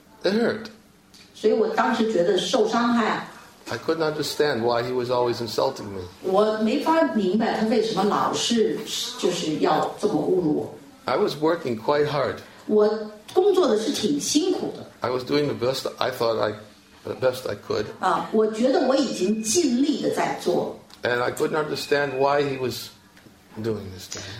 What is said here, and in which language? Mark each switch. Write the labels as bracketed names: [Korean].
[English] it hurt. [Chinese] 所以我当时觉得受伤害。 [English] I couldn't understand why he was always insulting me. [Chinese] 我没法明白他为什么老是就是要这么侮辱我。 [English] I was working quite hard. [Chinese] 我工作的是挺辛苦的。 [English] I was doing the best I thought I, the best I could. [Chinese] 我觉得我已经尽力的在做。 [English] And I couldn't understand why he was doing this to